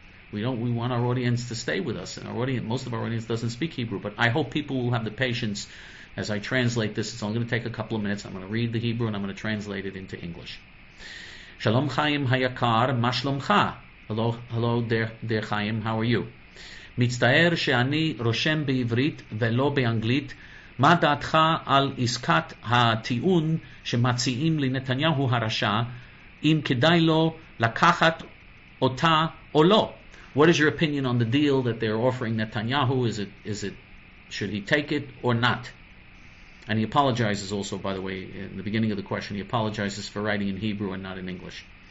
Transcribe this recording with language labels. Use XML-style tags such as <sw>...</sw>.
<en>We want our audience to stay with us, and most of our audience doesn't speak Hebrew. But I hope people will have the patience as I translate this. It's only going to take a couple of minutes. I'm going to read the Hebrew and I'm going to translate it into English.</en> <he>Shalom Chaim Hayakar, Mashlomcha.</he> <en>Hello, dear Chaim, how are you?</en> <he>Mitztaer she'ani roshem be'ivrit ve'lo be'anglit. מה דעתך על עסקת הטיעון שמציעים לנתניהו הרשע, אם כדאי לו לקחת אותה או לא?</he> <en>What is your opinion on the deal that they're offering Netanyahu? Is it, should he take it or not? And he apologizes also, by the way, in the beginning of the question, he apologizes for writing in Hebrew and not in English.</en>